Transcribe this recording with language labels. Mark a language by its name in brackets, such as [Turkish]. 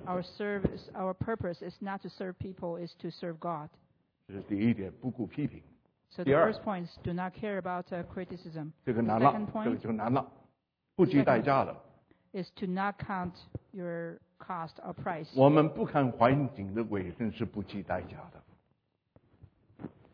[English] Our service, our purpose is not to serve people, is to serve God. [Chinese] 这是第一点，不顾批评。 [English] So the first point is do not care about criticism. [Chinese] 这个难了，这个就难了，不计代价了。 [English] Is to not count your cost or price. [Chinese] 我们不看环境的卫生是不计代价的。